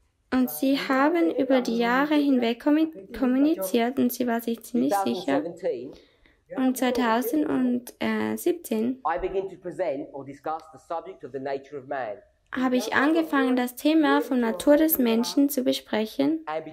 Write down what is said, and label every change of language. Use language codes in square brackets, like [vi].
[de] Und sie haben über die Jahre hinweg kommuniziert und sie war sich ziemlich sicher. Und 2017 [en] I begin to present or discuss the subject of the nature of man. [de] Habe ich angefangen, das Thema von Natur des Menschen zu besprechen.